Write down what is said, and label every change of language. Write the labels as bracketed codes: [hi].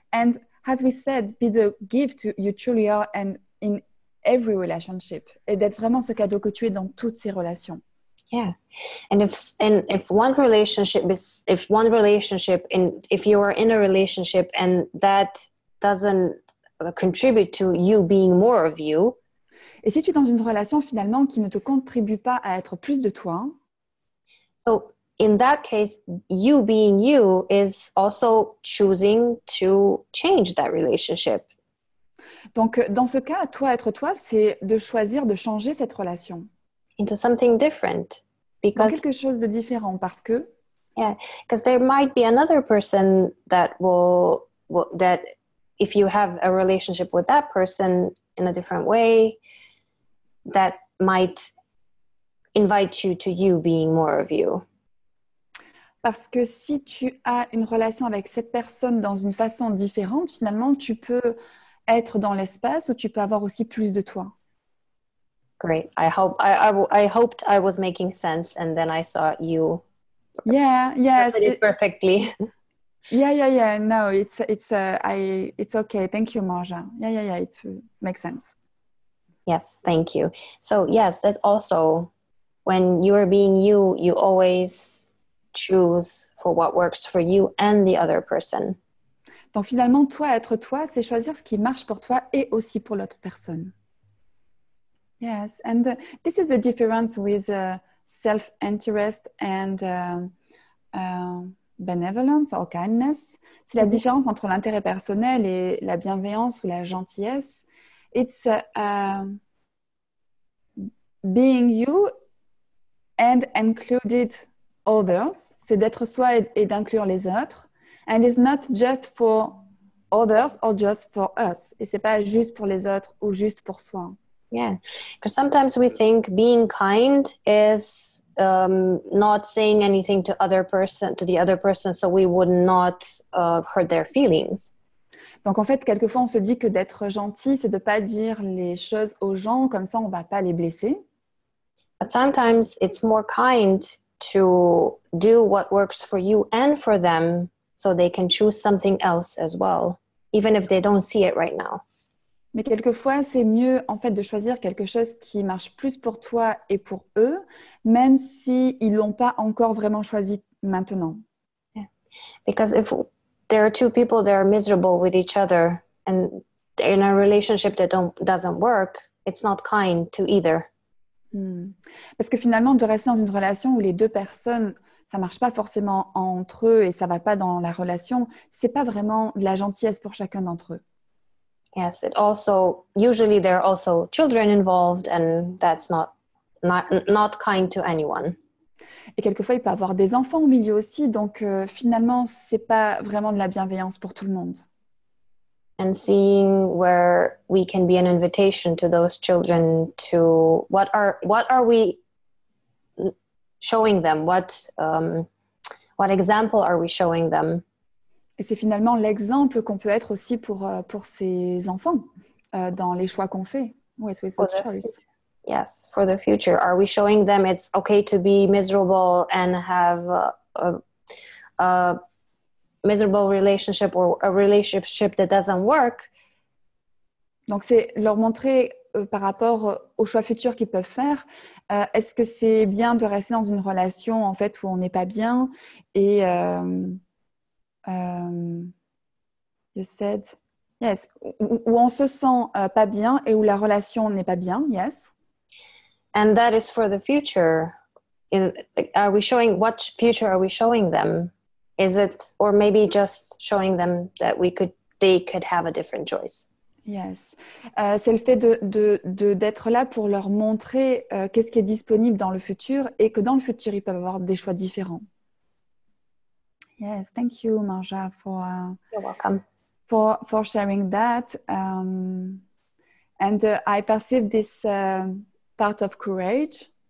[en] And as we said, be the gift you truly are and in every relationship. [fr] Et d'être vraiment ce cadeau que tu es dans toutes ces relations. [en] Yeah, if you are in a relationship and that doesn't contribute to you being more of you. [fr] Et si tu es dans une relation finalement qui ne te contribue pas à être plus de toi. [en] So in that case, you being you is also choosing to change that relationship. [fr] Donc dans ce cas, toi être toi, c'est de choisir de changer cette relation. [en] Into something different. [fr] Dans quelque chose de différent parce que [en] because there might be another person that will that if you have a relationship with that person in a different way that might invite you to you being more of you. [fr] Parce que si tu as une relation avec cette personne dans une façon différente, finalement tu peux être dans l'espace où tu peux avoir aussi plus de toi. [en] Great. I hoped I was making sense, and then I saw you. Yeah. Yes. Perfectly. Yeah. Yeah. Yeah. No. It's okay. Thank you, Marja. Yeah. Yeah. Yeah. It makes sense. Yes. Thank you. So yes, that's also when you are being you. You always choose for what works for you and the other person. [fr] Donc finalement, toi être toi, c'est choisir ce qui marche pour toi et aussi pour l'autre personne. [en] Yes, and this is the difference with self-interest and benevolence or kindness. [fr] C'est la différence entre l'intérêt personnel et la bienveillance ou la gentillesse. [en] It's being you and included others. [fr] C'est d'être soi et d'inclure les autres. [en] And it's not just for others or just for us. [fr] Et c'est pas juste pour les autres ou juste pour soi. [en] Yeah, because sometimes we think being kind is not saying anything to other person to the other person, so we would not hurt their feelings. [fr] Donc en fait, quelquefois on se dit que d'être gentil, c'est de pas dire les choses aux gens comme ça, on va pas les blesser. [en] But sometimes it's more kind to do what works for you and for them, so they can choose something else as well, even if they don't see it right now. [fr] Mais quelquefois, c'est mieux en fait de choisir quelque chose qui marche plus pour toi et pour eux, même si ils l'ont pas encore vraiment choisi maintenant. [en] Yeah. Because if there are two people that are miserable with each other and they're in a relationship that doesn't work, it's not kind to either. [fr] Parce que finalement, de rester dans une relation où les deux personnes ça marche pas forcément entre eux et ça va pas dans la relation, c'est pas vraiment de la gentillesse pour chacun d'entre eux. [en] Yes, it also usually there are also children involved and that's not kind to anyone. [fr] Et quelquefois il peut avoir des enfants au milieu aussi, donc finalement c'est pas vraiment de la bienveillance pour tout le monde. [en] And seeing where we can be an invitation to those children to what are we showing them, what example are we showing them? [fr] Et c'est finalement l'exemple qu'on peut être aussi pour ses enfants dans les choix qu'on fait. [en] Yes, with the choice. Yes, for the future. Are we showing them it's okay to be miserable and have a miserable relationship or a relationship that doesn't work? [fr] Donc c'est leur montrer par rapport aux choix futurs qu'ils peuvent faire. Est-ce que c'est bien de rester dans une relation en fait où on n'est pas bien et [en] you said yes, [fr] où on se sent pas bien et où la relation n'est pas bien, yes. [en] And that is for the future. Are we showing what future are we showing them? Is it or maybe just showing them that they could have a different choice? [fr] Yes, c'est le fait de d'être là pour leur montrer qu'est-ce qui est disponible dans le futur et que dans le futur ils peuvent avoir des choix différents. [en] Yes, thank you, Marja, for sharing that. I perceive this part of courage.